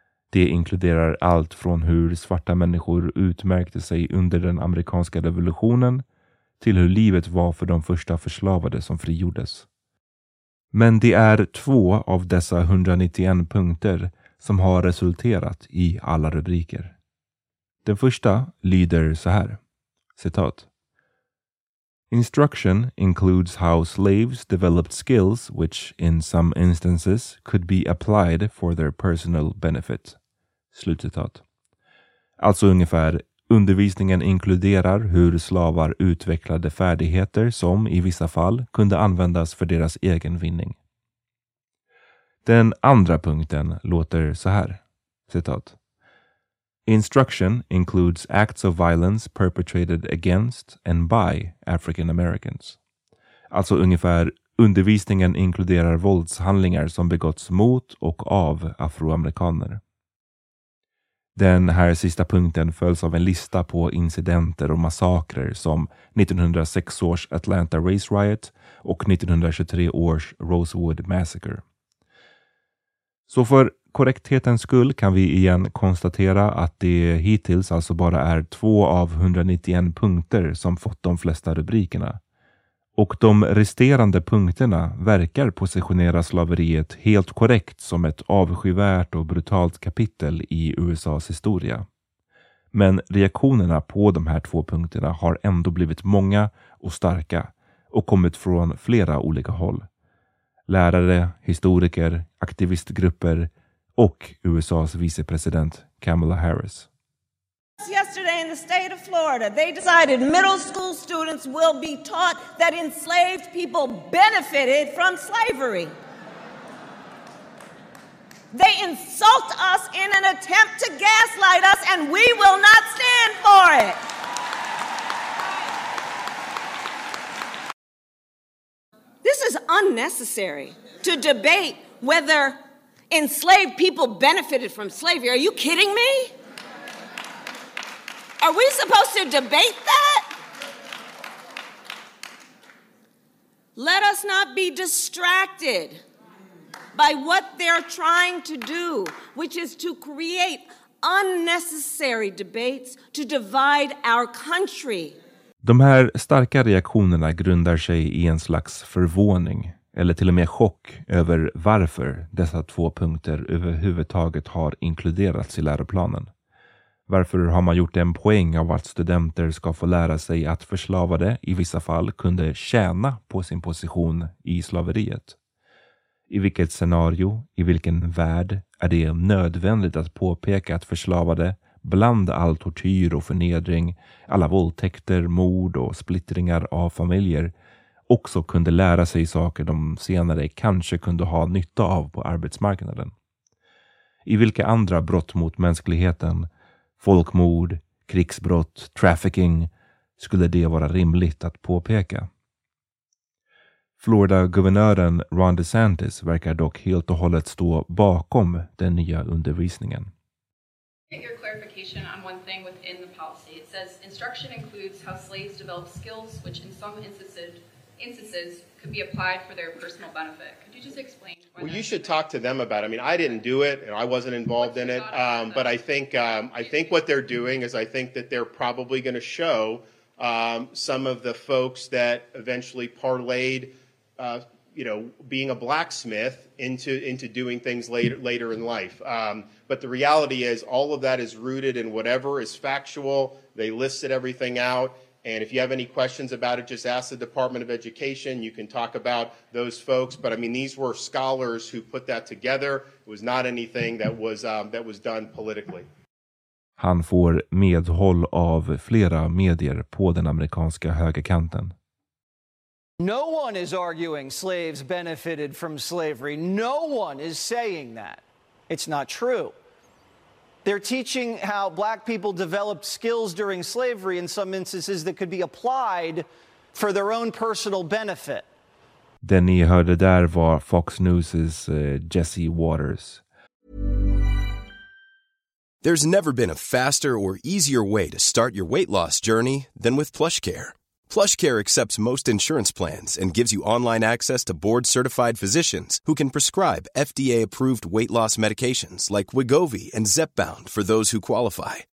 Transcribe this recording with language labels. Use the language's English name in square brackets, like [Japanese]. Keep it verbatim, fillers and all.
[Swedish] Det inkluderar allt från hur svarta människor utmärkte sig under den amerikanska revolutionen till hur livet var för de första förslavade som frigjordes. Men det är två av dessa etthundranittioen punkter som har resulterat i alla rubriker. Den första lyder så här, citat. [English] Instruction includes how slaves developed skills which, in some instances, could be applied for their personal benefit. [Swedish] Slutcitat. Alltså ungefär, undervisningen inkluderar hur slavar utvecklade färdigheter som i vissa fall kunde användas för deras egen vinning. Den andra punkten låter så här, citat. [English] Instruction includes acts of violence perpetrated against and by African Americans. [Swedish] Alltså ungefär, undervisningen inkluderar våldshandlingar som begåtts mot och av afroamerikaner. Den här sista punkten följs av en lista på incidenter och massakrer som nittonhundrasex års Atlanta Race Riot och nittonhundratjugotre års Rosewood Massacre. Så för korrekthetens skull kan vi igen konstatera att det hittills alltså bara är två av etthundranittioen punkter som fått de flesta rubrikerna. Och de resterande punkterna verkar positionera slaveriet helt korrekt som ett avskyvärt och brutalt kapitel i U S A:s historia. Men reaktionerna på de här två punkterna har ändå blivit många och starka och kommit från flera olika håll. Lärare, historiker, aktivistgrupper och U S A:s vicepresident Kamala Harris. [English] Yesterday in the state of Florida, they decided middle school students will be taught that enslaved people benefited from slavery. They insult us in an attempt to gaslight us, and we will not stand for it. This is unnecessary to debate whether enslaved people benefited from slavery. Are you kidding me? Are we supposed to debate that? Let us not be distracted by what they're trying to do, which is to create unnecessary debates to divide our country. [Swedish] De här starka reaktionerna grundar sig i en slags förvåning eller till och med chock över varför dessa två punkter överhuvudtaget har inkluderats i läroplanen. Varför har man gjort en poäng av att studenter ska få lära sig att förslavade i vissa fall kunde tjäna på sin position i slaveriet? I vilket scenario, i vilken värld är det nödvändigt att påpeka att förslavade bland all tortyr och förnedring, alla våldtäkter, mord och splittringar av familjer också kunde lära sig saker de senare kanske kunde ha nytta av på arbetsmarknaden? I vilka andra brott mot mänskligheten, folkmord, krigsbrott, trafficking, skulle det vara rimligt att påpeka? Florida-guvernören Ron DeSantis verkar dock helt och hållet stå bakom den nya undervisningen. [English] Get your clarification on one thing within the policy. It says instruction includes how slaves develop skills which in some instances instances could be applied for their personal benefit. Could you just explain? Well, you should talk to them about it. I mean, I didn't do it and I wasn't involved What's in it. Um, but I think um, I think what they're doing is I think that they're probably going to show um, some of the folks that eventually parlayed, uh, you know, being a blacksmith into into doing things later later in life. Um, but the reality is all of that is rooted in whatever is factual. They listed everything out. And if you have any questions about it, just ask the Department of Education. You can talk about those folks. But I mean, these were scholars who put that together. It was not anything that was um, that was done politically. [Swedish] Han får medhåll av flera medier på den amerikanska högerkanten. [English] No one is arguing slaves benefited from slavery. No one is saying that. It's not true. They're teaching how black people developed skills during slavery in some instances that could be applied for their own personal benefit. [Swedish] Det ni hörde där var Fox News' uh, Jesse Waters. [English] There's never been a faster or easier way to start your weight loss journey than with PlushCare. PlushCare accepts most insurance plans and gives you online access to board-certified physicians who can prescribe F D A-approved weight loss medications like Wegovy and Zepbound for those who qualify.